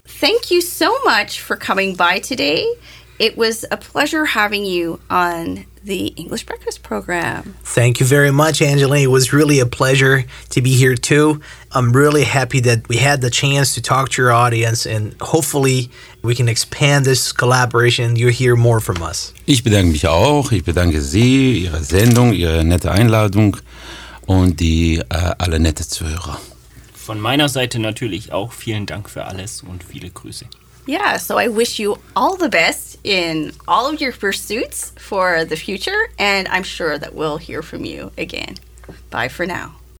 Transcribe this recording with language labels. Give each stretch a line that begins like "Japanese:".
English: Thank you so much for coming by today. It was a pleasure having you on the English Breakfast program. Thank you very much, Angeline. It was really a pleasure to be here too. I'm really happy that we had the chance to talk to your audience and hopefully we can expand this collaboration. You'll hear more from us.
German: Ich bedanke mich auch. Ich bedanke Sie, Ihre Sendung, Ihre nette Einladung und die alle nette Zuhörer. Von meiner Seite natürlich auch vielen Dank für alles und viele Grüße.
English: Yeah, so I wish you all the best in all of your pursuits for the future, and I'm sure that we'll hear from you again. Bye for now.